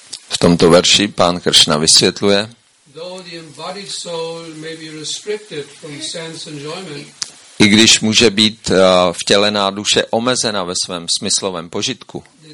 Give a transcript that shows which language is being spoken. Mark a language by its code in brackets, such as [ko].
[cs] V tomto verši pán Krishna vysvětluje. [en] Though the embodied soul may be restricted from sense enjoyment. [cs] I když může být vtělená duše omezena ve svém smyslovém požitku.